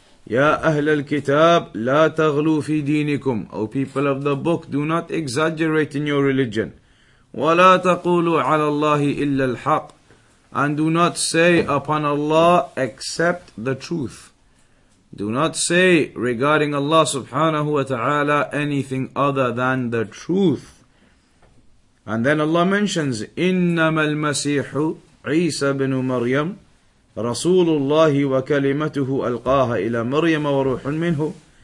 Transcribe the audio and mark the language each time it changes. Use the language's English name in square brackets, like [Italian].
[Arabic] يا أهل الكتاب لا تغلو في دينكم. [English] O people of the book, do not exaggerate in your religion. [Arabic] ولا تقولوا على الله إلا الحق. [English] And do not say upon Allah except the truth. Do not say regarding Allah subhanahu wa ta'ala anything other than the truth. And then Allah mentions, [Arabic] إنما المسيح عيسى بن مريم رسول الله وكلمته ألقاها إلى مريم وروح منه.